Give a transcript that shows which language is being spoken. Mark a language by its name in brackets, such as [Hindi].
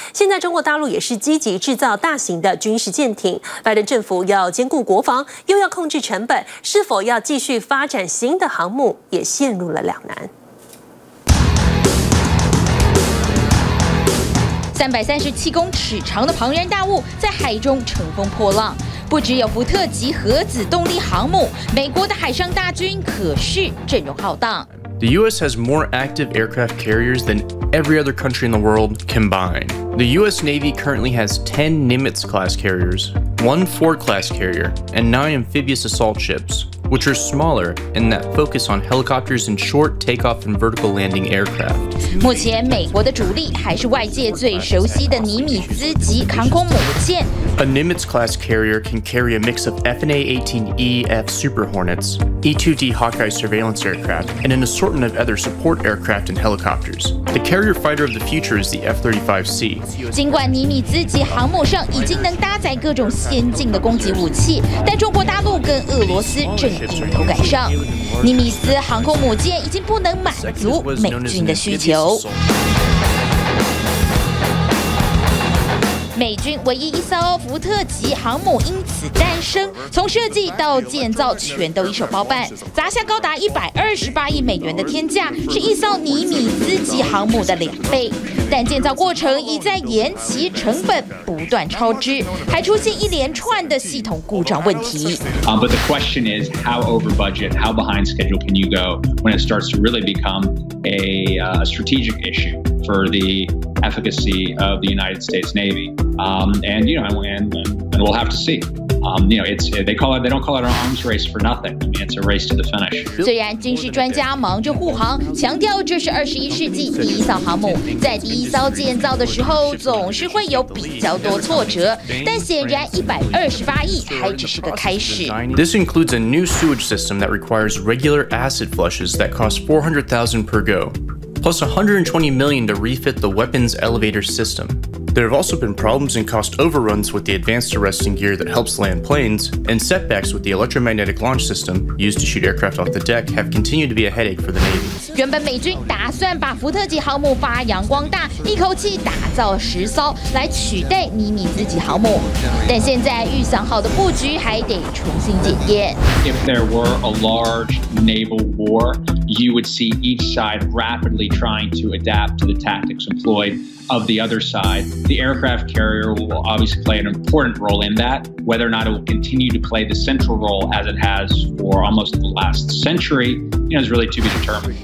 [Chinese] 现在中国大陆也是积极制造大型的军事舰艇，拜登政府要兼顾国防又要控制成本，是否要继续发展新的航母也陷入了两难。 337公尺长的庞然大物在海中乘风破浪，不只有福特级核子动力航母，美国的海上大军可是阵容浩荡。 [English] The U.S. has more active aircraft carriers than every other country in the world combined. The U.S. Navy currently has 10 Nimitz-class carriers, 1 Ford-class carrier, and 9 amphibious assault ships, which are smaller and that focus on helicopters and short takeoff and vertical landing aircraft. [Chinese] 目前美国的主力还是外界最熟悉的尼米兹级航空母舰。 [English] A Nimitz-class carrier can carry a mix of F/A-18EF Super Hornets, E-2D Hawkeye surveillance aircraft, and an assortment of other support aircraft and helicopters. The carrier fighter of the future is the F-35C. [Chinese] 尽管尼米兹级航母上已经能搭载各种先进的攻击武器，但中国大陆跟俄罗斯正迎头赶上。尼米兹航空母舰已经不能满足美军的需求。美军唯一一艘福特级航母因此诞生，从设计到建造全都一手包办，砸下高达128亿美元的天价，是一艘尼米兹级航母的两倍。但建造过程一再延期，成本不断超支，还出现一连串的系统故障问题。 [English] But the question is, how over budget, how behind schedule can you go when it starts to really become a strategic issue for the efficacy of the United States Navy? We'll have to see. They don't call it an arms race for nothing. I mean, it's a race to the finish. [Chinese] 虽然军事专家忙着护航，强调这是21世纪第一艘航母，在第一艘建造的时候总是会有比较多挫折，但显然128亿还只是个开始。 [English] This includes a new sewage system that requires regular acid flushes that cost $400,000 per go, plus $120 million to refit the weapons elevator system. There have also been problems and cost overruns with the advanced arresting gear that helps land planes, and setbacks with the electromagnetic launch system used to shoot aircraft off the deck have continued to be a headache for the Navy. [Chinese] 原本美军打算把福特级航母发扬光大，一口气打造10艘来取代尼米兹级航母，但现在预想好的布局还得重新检验。 [English] If there were a large naval war, you would see each side rapidly trying to adapt to the tactics employed. Of the other side, the aircraft carrier will obviously play an important role in that. Whether or not it will continue to play the central role as it has for almost the last century, is really to be determined.